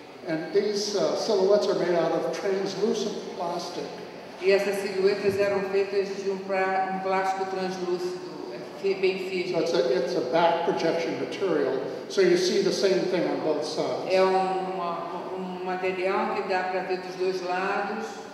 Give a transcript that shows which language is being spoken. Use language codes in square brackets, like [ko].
[en] And these silhouettes are made out of translucent plastic. [pt] E essas silhuetas eram feitas de um plástico translúcido. [en] So it's a back projection material, so you see the same thing on both sides. [pt] É um material que dá para ver dos dois lados.